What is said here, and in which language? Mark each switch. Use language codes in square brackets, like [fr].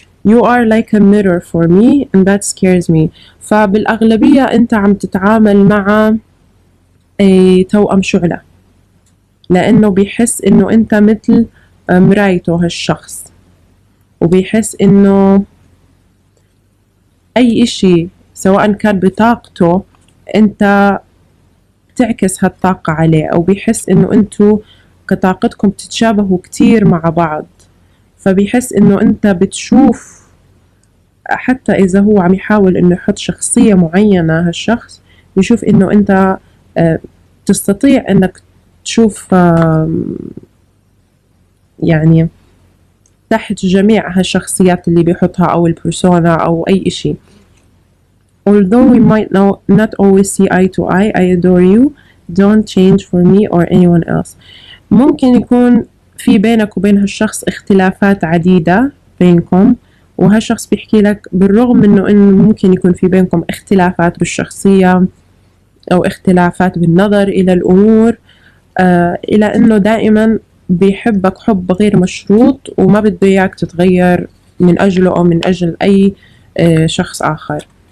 [en] You are like a mirror for me and that scares me، [ar] فبالأغلبية أنت عم تتعامل مع توأم شعلة، لأنه بيحس إنه أنت مثل مرايته هالشخص، وبيحس إنه أي إشي سواء كان بطاقته أنت بتعكس هالطاقة عليه، أو بيحس إنه أنتو كطاقتكم تتشابهوا كتير مع بعض، فبيحس إنه أنت بتشوف، حتى إذا هو عم يحاول إنه يحط شخصية معينة هالشخص، يشوف إنه أنت تستطيع إنك تشوف يعني تحت جميع هالشخصيات اللي بيحطها أو البرسونا أو أي إشي. [en] Although we might not always see eye to eye, I adore you. Don't change for me or anyone else. [ar] ممكن يكون في بينك وبين هالشخص اختلافات عديدة بينكم، وهالشخص بيحكي لك بالرغم من إنه ممكن يكون في بينكم اختلافات بالشخصية أو اختلافات بالنظر إلى الأمور، إلى إنه دائما بيحبك حب غير مشروط وما بده إياك تتغير من أجله أو من أجل أي شخص آخر.